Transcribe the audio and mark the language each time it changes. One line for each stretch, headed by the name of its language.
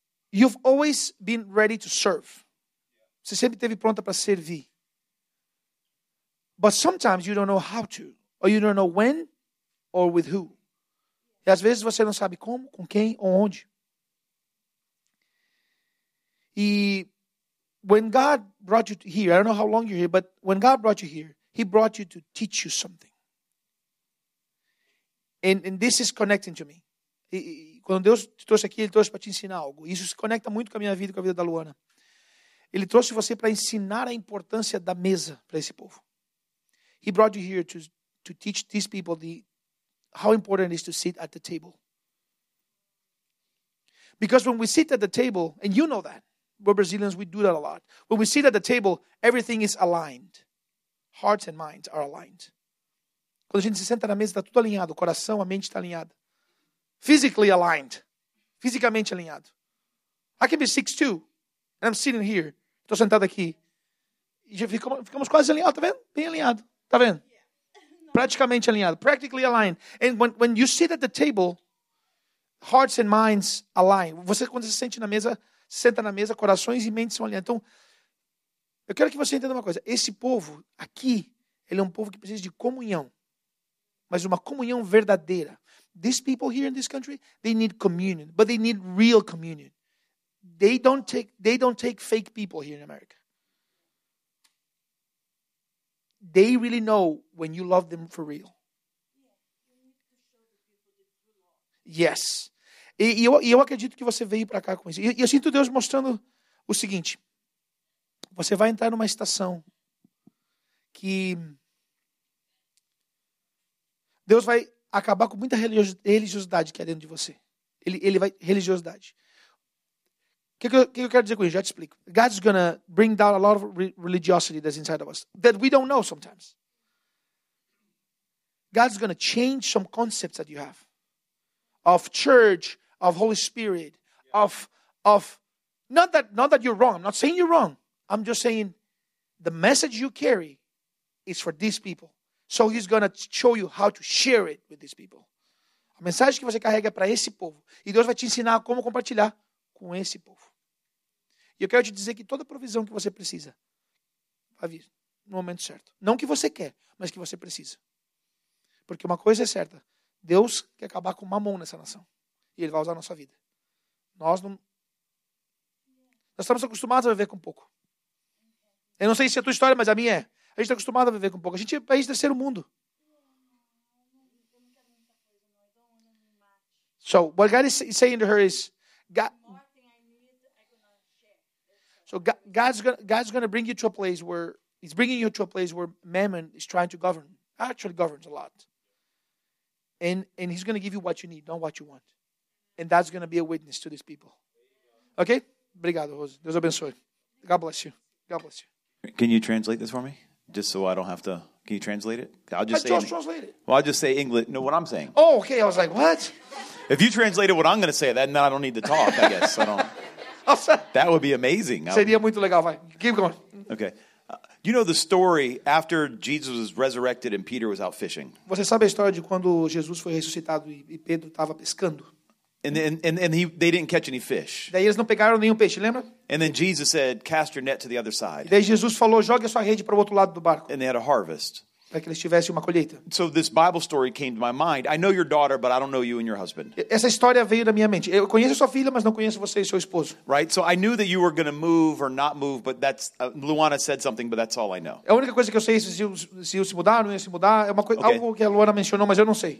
English: You've always been ready to serve.
Portuguese: Você sempre esteve pronta para servir.
English: But sometimes you don't know how to, or you don't know when or with who.
Portuguese: E às vezes você não sabe como, com quem ou onde.
English: E when God brought you here, I don't know how long you're here, but when God brought you here, he brought you to teach you something. And this is connecting to me.
Portuguese: Quando Deus te trouxe aqui, ele trouxe para te ensinar algo. Isso se conecta muito com a minha vida e com a vida da Luana. Ele trouxe você para ensinar a importância da mesa para esse povo.
English: He brought you here to teach these people the how important it is to sit at the table. Because when we sit at the table, and you know that, we're Brazilians, we do that a lot. When we sit at the table, everything is aligned. Hearts and minds are aligned.
Portuguese: Quando a gente se senta na mesa, está tudo alinhado. O coração, a mente está alinhada.
English: Physically aligned.
Portuguese: Fisicamente alinhado.
English: I can be 6'2", and I'm sitting here.
Portuguese: Estou sentado aqui. E já ficamos quase alinhados, tá vendo? Bem alinhado. Tá vendo? Praticamente alinhado.
English: Practically aligned. And when you sit at the table, hearts and minds align.
Portuguese: Você, quando se sente na mesa, se senta na mesa, corações e mentes são alinhados. Então, eu quero que você entenda uma coisa. Esse povo aqui, ele é um povo que precisa de comunhão. Mas uma comunhão verdadeira.
English: These people here in this country, they need communion. But they need real communion. They don't take fake people here in America. They really know when you love them for real. Yes.
Portuguese: E eu acredito que você veio para cá com isso. E eu sinto Deus mostrando o seguinte. Você vai entrar numa estação que Deus vai acabar com muita religiosidade que há dentro de você. Ele vai... Religiosidade. O que eu quero dizer com isso? Já te explico.
English: God's going to bring down a lot of religiosity that's inside of us. That we don't know sometimes. God's going to change some concepts that you have. Of church, of Holy Spirit, of... Not that you're wrong. I'm not saying you're wrong. I'm just saying the message you carry is for these people. So he's going to show you how to share it with these people.
Portuguese: A mensagem que você carrega é para esse povo. E Deus vai te ensinar como compartilhar com esse povo. E eu quero te dizer que toda provisão que você precisa vai vir no momento certo. Não que você quer, mas que você precisa. Porque uma coisa é certa. Deus quer acabar com mamon nessa nação. E ele vai usar a nossa vida. Nós estamos acostumados a viver com pouco. Eu não sei se é a tua história, mas a minha é. A gente está acostumado a viver com pouco. A gente é país terceiro mundo.
English: So, what God is saying to her is, God's gonna bring you to a place where he's bringing you to a place where mammon is trying to govern. Actually governs a lot. And he's gonna give you what you need, not what you want. And that's gonna be a witness to these people. Okay?
Portuguese: Obrigado, Rose. Deus abençoe.
English: God bless you. God bless you. Can you translate this for me? Just so I don't have to. Can you translate it? I'll just say. Translate it. Well, I'll just say English. No, what I'm saying. Oh, okay. I was like, what? If you translated what I'm going to say, then I don't need to talk. I guess I don't. That would be amazing.
Portuguese: Seria muito legal. Vai.
English: Keep going. Okay. You know the story after Jesus was resurrected and Peter was out fishing.
Portuguese: Você sabe a história de quando Jesus foi ressuscitado e Pedro estava pescando?
English: And they didn't catch any fish.
Portuguese: Daí eles não pegaram nenhum peixe, lembra?
English: And then Jesus said, "Cast your net to the other side."
Portuguese: Daí Jesus falou, "Jogue a sua rede para o outro lado do barco."
English: And they had a harvest.
Portuguese: Para que eles tivessem uma colheita.
English: So this Bible story came to my mind. I know your daughter, but I don't know you and your husband.
Portuguese: Essa história veio da minha mente. Eu conheço sua filha, mas não conheço você e seu esposo.
English: Right? So I knew that you were going to move or not move, but that's Luana said something, but that's all I know.
Portuguese: A única coisa que eu sei é se ia se mudar ou não ia se mudar. É uma coisa, algo que a Luana mencionou, mas eu não sei.